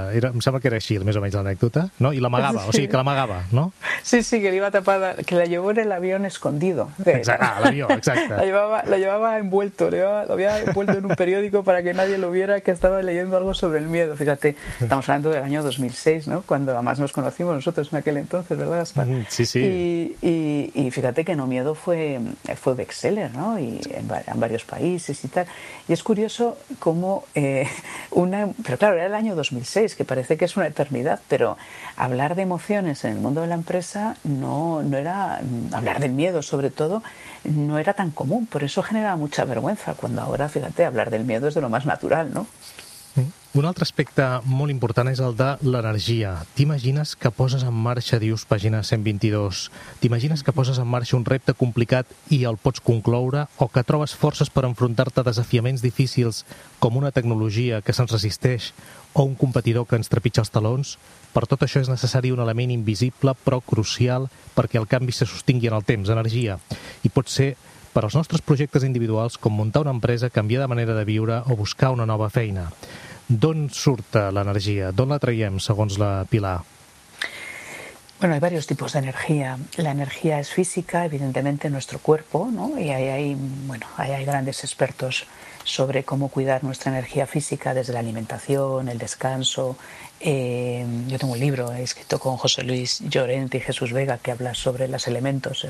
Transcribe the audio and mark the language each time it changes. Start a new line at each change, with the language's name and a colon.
Catalan: Era, em sembla que era així, més o menys, l'anècdota, no? I l'amagava, sí. O sigui, que l'amagava, no?
Spanish: Sí, sí, que l'iba tapada, que la llevó en el avión escondido.
Catalan: Exacte, l'avió, exacte.
Spanish: La llevaba envuelto, lo había envuelto en un periódico para que nadie lo viera, que estaba leyendo algo sobre el miedo. Fíjate, estamos hablando del año 2006, ¿no? Cuando además nos conocimos nosotros en aquel entonces, ¿verdad, Gaspar? Sí, sí. Y fíjate que No Miedo fue bestseller, ¿no? Y en varios países y tal. Y es curioso cómo pero claro, era el año 2006, que parece que es una eternidad, pero hablar de emociones en el mundo de la empresa no era hablar del miedo, sobre todo, no era tan común, por eso generaba mucha vergüenza, cuando ahora, fíjate, hablar del miedo es de lo más natural, ¿no?
Catalan: Un altre aspecte molt important és el de l'energia. T'imagines que poses en marxa, dius, pàgina 122, t'imagines que poses en marxa un repte complicat i el pots concloure, o que trobes forces per enfrontar-te a desafiaments difícils com una tecnologia que se'ns resisteix o un competidor que ens trepitja els talons? Per tot això és necessari un element invisible però crucial perquè el canvi se sostingui en el temps, energia. I pot ser per als nostres projectes individuals com muntar una empresa, canviar de manera de viure o buscar una nova feina. D'on surt l'energia? D'on la traiem, segons la Pilar?
Spanish: Bueno, hay varios tipos de energía. La energía es física, evidentemente, nuestro cuerpo, ¿no? Y ahí hay, bueno, ahí hay grandes expertos sobre cómo cuidar nuestra energía física, desde la alimentación, el descanso. Yo tengo un libro escrito con José Luis Llorente y Jesús Vega que habla sobre los elementos.